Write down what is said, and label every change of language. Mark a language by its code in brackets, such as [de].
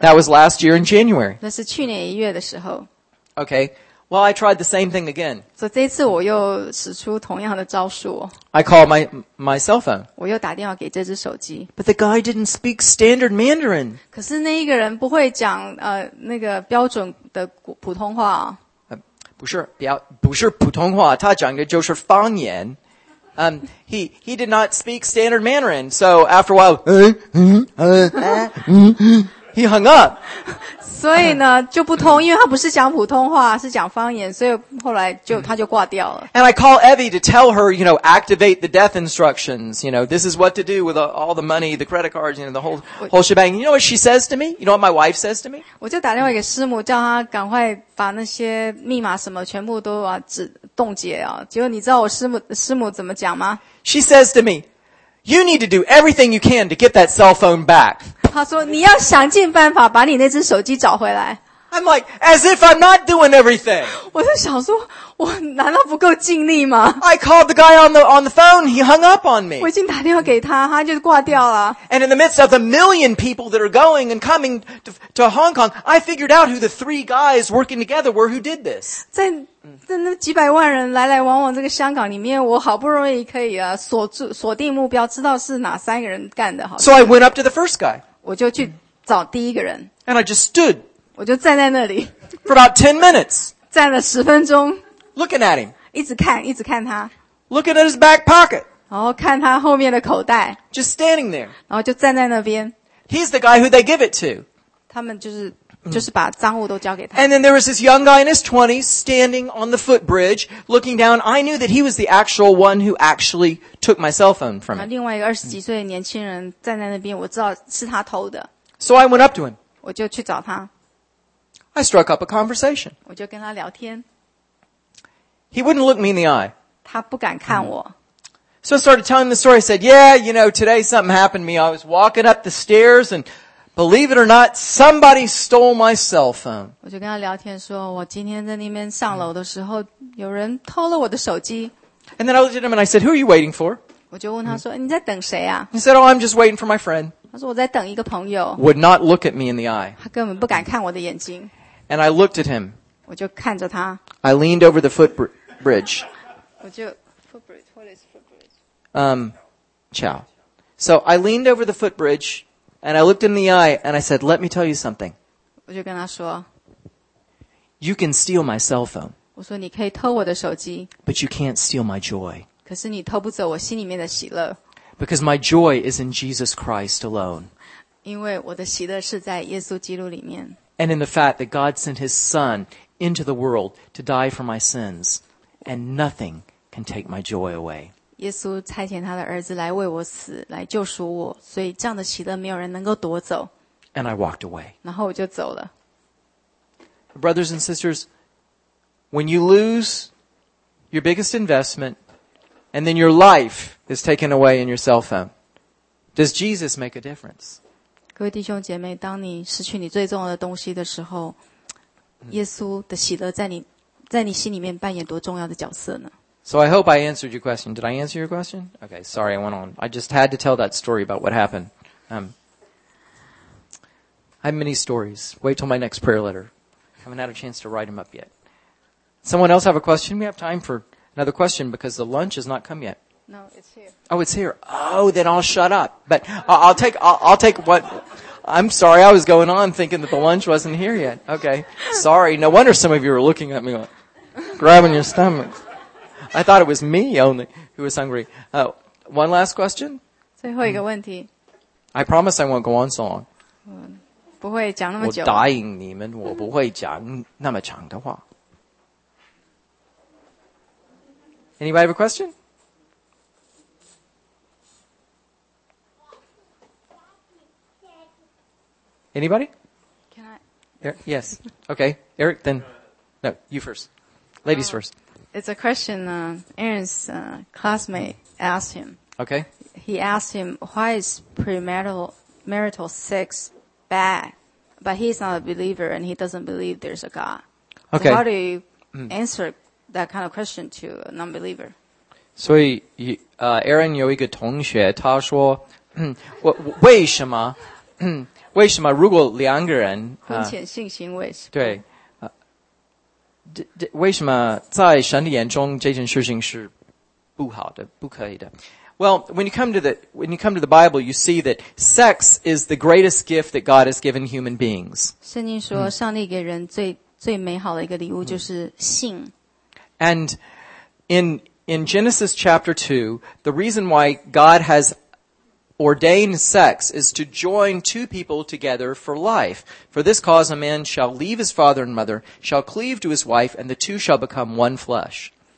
[en] That was last year in January. [zh] 那是去年一月的时候。 [en] Okay. Well, I tried the same thing again. [zh] 所以这次我又使出同样的招数。 [en] I called my cell phone. [zh] 我又打电话给这只手机。 [en] But the guy didn't speak standard Mandarin. [zh] 可是那一个人不会讲那个标准的普通话。不是普通话，他讲的就是方言。 [en] He did not speak standard Mandarin, so after a while, he hung up. [zh] 所以呢就不通，因为他不是讲普通话，是讲方言，所以后来就他就挂掉了。 [en] And I call Evie to tell her, you know, activate the death instructions, you know, this is what to do with all the money, the credit cards, you know, the whole shebang. You know what she says to me? You know what my wife says to me? [zh] 我就打电话给师母，叫她赶快把那些密码什么全部都冻结啊。结果你知道我师母怎么讲吗？ [en] She says to me, you need to do everything you can to get that cell phone back. [zh] 他说：“你要想尽办法把你那只手机找回来。” [en] I'm like, as if I'm not doing everything. [zh] 我就想说，我难道不够尽力吗？ [en] I called the guy on the phone. He hung up on me. [zh] 我已经打电话给他，他就挂掉了。 [en] And in the midst of the million people that are going and coming to Hong Kong, I figured out who the three guys working together were who did this. [zh] 在那几百万人来来往往这个香港里面，我好不容易可以锁定目标，知道是哪三个人干的。 [en] So I went up to the first guy. [zh] 我就去找第一个人。 [en] And I just stood. [zh] 我就站在那里。 [en] For about 10 minutes. [zh] 站了十分钟。 [en] Looking at him. [zh] 一直看他。 [en] Looking at his back pocket. [zh] 然后看他后面的口袋。 [en] Just standing there. [zh] 然后就站在那边。 [en] He's the guy who they give it to. [zh] 他们就是把赃物都交给他。 [en] And then there was this young guy in his 20s standing on the footbridge, looking down. I knew that he was the actual one who actually took my cell phone from him. [zh] 另外一个二十几岁的年轻人站在那边，我知道是他偷的。 [en] So I went up to him. [zh] 我就去找他。 [en] I struck up a conversation. [zh] 我就跟他聊天。 [en] He wouldn't look me in the eye. [zh] 他不敢看我。 [en] So I started telling the story. I said, yeah, you know, today something happened to me. I was walking up the stairs and... Believe it or not, somebody stole my cell phone. [zh] 我就跟他聊天说，我今天在那边上楼的时候，有人偷了我的手机。 [en] And then I looked at him and I said, "Who are you waiting for?" [zh] 我就问他说，你在等谁啊？ [en] He said, "Oh, I'm just waiting for my friend." [zh] 他说我在等一个朋友。 [en] Would not look at me in the eye. [zh] 他根本不敢看我的眼睛。 [en] And I looked at him. [zh] 我就看着他。 [en] I leaned over the footbridge. [zh] 我就 [en] footbridge. What is footbridge? So I leaned over the footbridge. And I looked in the eye and I said, let me tell you something. [zh] 我就跟他说, [en] you can steal my cell phone. [zh] 我说你可以偷我的手机, [en] but you can't steal my joy. [zh] 可是你偷不走我心里面的喜乐, [en] because my joy is in Jesus Christ alone. [zh] 因为我的喜乐是在耶稣基督里面。 [en] And in the fact that God sent his son into the world to die for my sins, and nothing can take my joy away. [zh] 耶稣差遣他的儿子来为我死，来救赎我，所以这样的喜乐没有人能够夺走。 [en] And I walked away. [zh] 然后我就走了。 [en] Brothers and sisters, when you lose your biggest investment, and then your life is taken away in your cell phone. Does Jesus make a difference? [zh] 各位弟兄姐妹，当你失去你最重要的东西的时候，耶稣的喜乐在你心里面扮演多重要的角色呢？ [en] So I hope I answered your question. Did I answer your question? Okay, sorry, I went on. I just had to tell that story about what happened. I have many stories. Wait till my next prayer letter. I haven't had a chance to write them up yet. Someone else have a question? We have time for another question because the lunch has not come yet. No, it's here. Oh, it's here. Oh, then I'll shut up. But I'll take what... I'm sorry, I was going on thinking that the lunch wasn't here yet. Okay, sorry. No wonder some of you were looking at me like, grabbing your stomach. I thought it was me only who was hungry. One last question? [zh] 最后一个问题。 [en] I promise I won't go on so long. [zh] 不会讲那么久。我答应你们我不会讲那么长的话。 [en] Anybody have a question? Anybody? Can I? Yes. Okay. Eric, then. No, you first. Ladies first. It's a question Aaron's classmate asked him. Okay. He asked him, why is premarital sex bad? But he's not a believer and he doesn't believe there's a God. Okay. So how do you answer that kind of question to a non-believer? [zh] 所以 Aaron 有一个同学他说为什么为什么如果两个人婚前性行为是对、为什么在神的眼中这件事情是不好的不可以的 [en] Well, when you come to the Bible, you see that sex is the greatest gift that God has given human beings. [zh] 圣经说上帝给人最、最美好的一个礼物就是性、 [en] And in Genesis chapter 2, the reason why God has ordained sex is to join two people together for life. For this cause, a man shall leave his father and mother, shall cleave to his wife, and the two shall become one flesh.